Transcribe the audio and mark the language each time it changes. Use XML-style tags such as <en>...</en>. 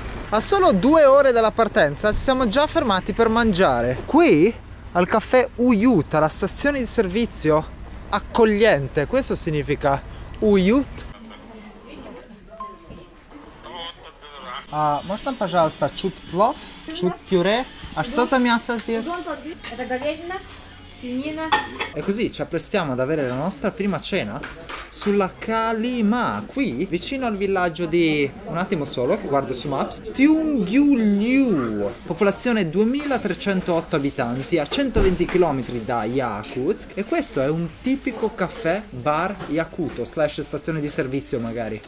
<it>A solo 2 ore dalla partenza ci siamo già fermati per mangiare. Qui? Al caffè Uyut, la stazione di servizio accogliente, questo significa Uyut.</it> <ru>Можно, пожалуйста, чуть плов, чуть пюре. А что за мясо здесь?</ru> <it>E così ci apprestiamo ad avere la nostra prima cena sulla Kalima, qui vicino al villaggio di, un attimo solo che guardo su Maps, Tiungyulyu, popolazione 2308 abitanti a 120 km da Yakutsk, e questo è un tipico caffè bar yakuto / stazione di servizio magari,</it>